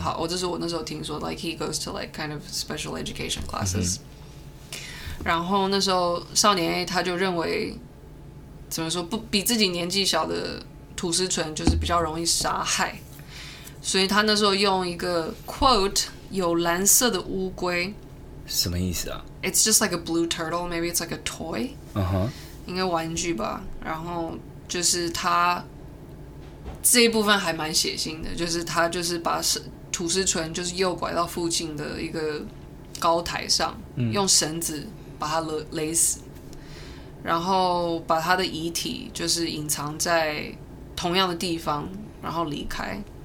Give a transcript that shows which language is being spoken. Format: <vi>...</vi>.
<zh>好，这是我那时候听说</zh> <en>，like he goes to like kind of special education classes、嗯。</en> <zh>然后那时候少年 A 他就认为，怎么说不比自己年纪小的土司纯就是比较容易杀害，所以他那时候用一个 quote 有蓝色的乌龟，什么意思啊</zh> <en>？It's just like a blue turtle, maybe it's like a toy。</en> <zh>嗯哼，应该玩具吧。然后就是他这一部分还蛮血腥的，就是他就是把土司纯就是诱拐到附近的一个高台上，嗯、用绳子把他勒死，然后把他的遗体就是隐藏在同样的地方，然后离开。</zh>